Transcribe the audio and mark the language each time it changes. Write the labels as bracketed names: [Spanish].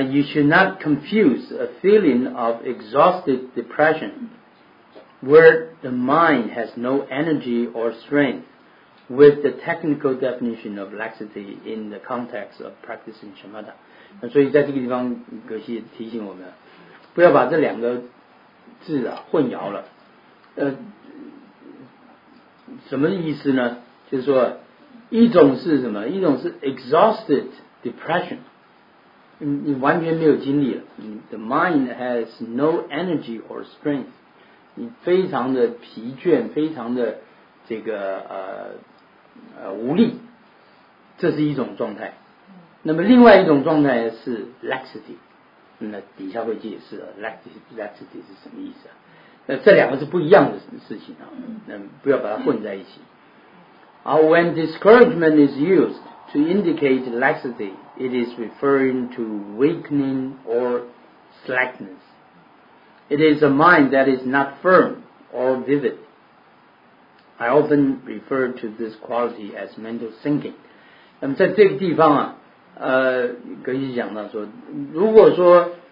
[English] You should not confuse a feeling of exhausted depression where the mind has no energy or strengthwith the technical definition of laxity in the context of practicing shamatha. [Chinese] 那所以在这个地方格西提醒我们不要把这两个字啊混淆了。什么意思呢？就是说一种是什么，一种是 [English] exhausted depression， [Chinese] 你完全没有精力了， [English] the mind has no energy or strength， [Chinese] 你非常的疲倦，非常的这个无力，这是一种状态。那么另外一种状态是 laxity， 那底下会解释 laxity 是什么意思、那这两个是不一样的事情啊，那不要把它混在一起。 [English] When discouragement is used to indicate laxity, it is referring to weakening or slackness. It is a mind that is not firm or vivid. I often refer to this quality as mental sinking. [Chinese] 那么在这个地方啊，格西讲到说，如果说